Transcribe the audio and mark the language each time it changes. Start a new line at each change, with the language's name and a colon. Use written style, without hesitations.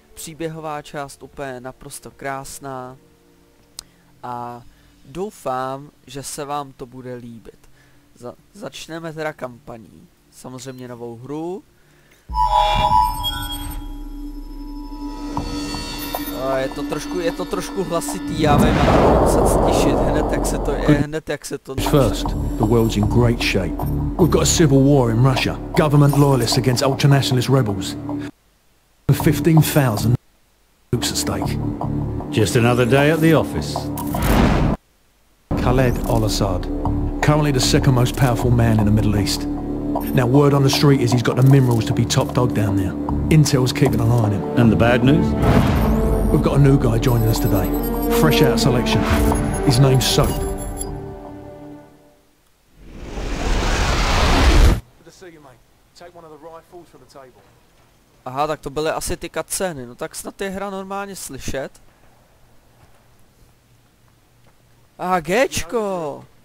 Czech: Příběhová část úplně naprosto krásná a doufám, že se vám to bude líbit. Začneme teda kampaní, samozřejmě novou hru. A je to trošku hlasitý, já vím, ale musím se stišit hned jak se to.
English: First, the world's in great shape. We've got a civil war in Russia. Government loyalists against ultranationalist rebels. 15,000 troops at stake. Just another day at the office. Khaled Al-Assad, currently the second most powerful man in the Middle East. Now word on the street is he's got the minerals to be top dog down there. Intel's keeping an eye on him. And the bad news? We've got a new guy joining us today. Fresh out of selection. His name's Soap. Good to see you, mate. Take one of the rifles from the table.
Czech: Aha, tak to byly asi ty cutscény. No tak snad je hra normálně slyšet. Aha, Gčko!